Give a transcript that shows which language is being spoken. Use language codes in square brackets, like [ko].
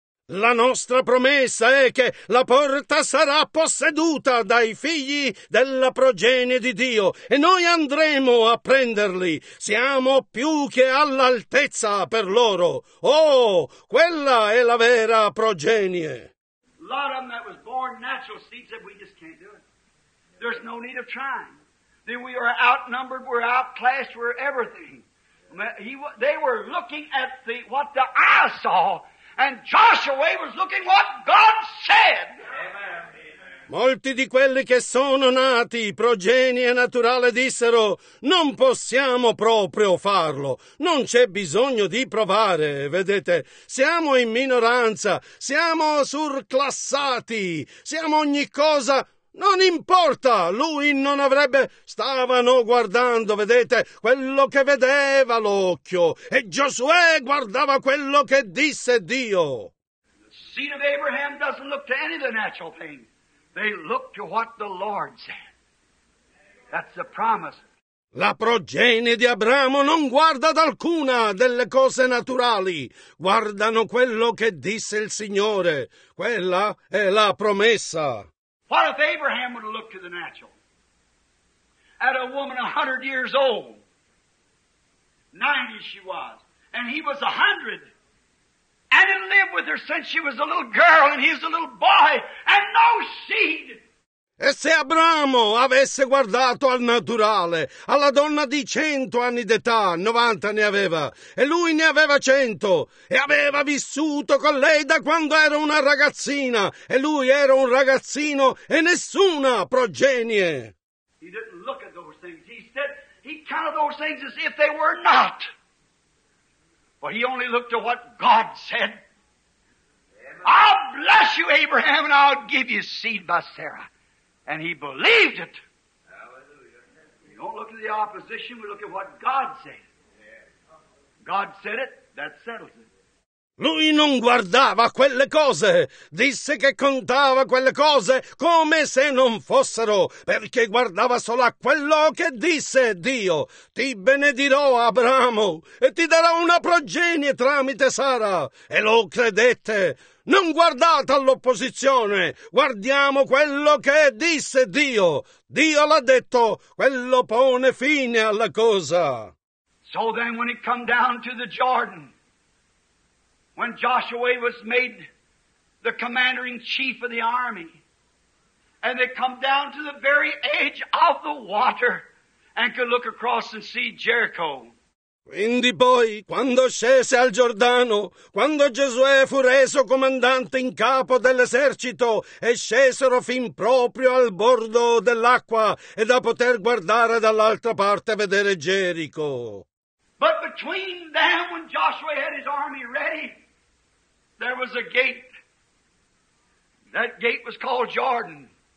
[it] La nostra promessa è che la porta sarà posseduta dai figli della progenie di Dio e noi andremo a prenderli. Siamo più che all'altezza per loro. Oh, quella è la vera progenie. [en] A lot of them that was born natural seeds that we just can't do it. There's no need of trying. Then we are outnumbered, we're outclassed, we're everything. They were looking at what the eye saw, and Joshua was looking what God said. [it] Molti di quelli che sono nati progenie naturale dissero, non possiamo proprio farlo, non c'è bisogno di provare, vedete, siamo in minoranza, siamo surclassati, siamo ogni cosa. Non importa, lui non avrebbe... Stavano guardando, vedete, quello che vedeva l'occhio. E Giosuè guardava quello che disse Dio. [en] The seed of Abraham doesn't look to any of the natural things. They look to what the Lord said. That's the promise. [it] La progenie di Abramo non guarda ad alcuna delle cose naturali. Guardano quello che disse il Signore. Quella è la promessa. [en] What if Abraham would have looked to the natural? At a woman 100 years old. 90 she was. And he was 100. And had lived with her since she was a little girl and he was a little boy. And no seed. [it] E se Abramo avesse guardato al naturale, alla donna di 100 anni d'età, 90 ne aveva, e lui ne aveva 100, e aveva vissuto con lei da quando era una ragazzina, e lui era un ragazzino e nessuna progenie. [en] He didn't look at those things. He counted those things as if they were not. But he only looked at what God said. I'll bless you, Abraham, and I'll give you seed by Sarah. And he believed it. Hallelujah. We don't look at the opposition, we look at what God said. God said it, that settles it. [it] Lui non guardava quelle cose, disse che contava quelle cose come se non fossero, perché guardava solo a quello che disse Dio. Ti benedirò, Abramo, e ti darò una progenie tramite Sara. E lo credette. Non guardate all'opposizione, guardiamo quello che disse Dio. Dio l'ha detto, quello pone fine alla cosa. [en] So then when it come down to the Jordan, when Joshua was made the commander-in-chief of the army, and they come down to the very edge of the water and could look across and see Jericho. [it] Quindi poi, quando scese al Giordano, quando Giosuè fu reso comandante in capo dell'esercito, e scesero fin proprio al bordo dell'acqua e da poter guardare dall'altra parte vedere Gerico. [en] But between them, when Joshua had his army ready, there was a gate. That gate was called Jordan.